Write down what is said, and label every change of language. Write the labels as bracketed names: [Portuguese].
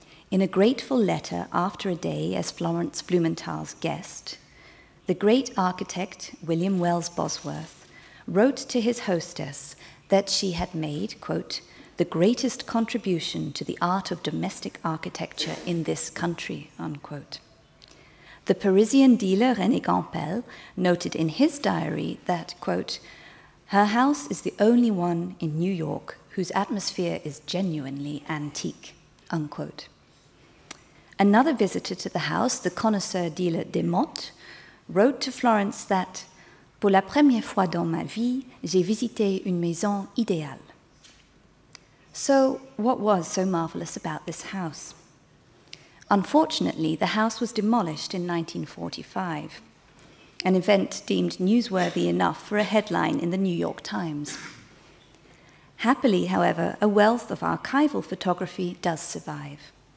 [English] In a grateful letter after a day as Florence Blumenthal's guest, the great architect, William Wells Bosworth, wrote to his hostess that she had made, quote, the greatest contribution to the art of domestic architecture in this country, unquote. The Parisian dealer René Campel noted in his diary that, quote, her house is the only one in New York whose atmosphere is genuinely antique, unquote. Another visitor to the house, the connoisseur dealer Desmottes, wrote to Florence that, [French] pour la première fois dans ma vie, j'ai visité une maison idéale. [English] So, what was so marvelous about this house? Unfortunately, the house was demolished in 1945, an event deemed newsworthy enough for a headline in the New York Times. Happily, however, a wealth of archival photography does survive.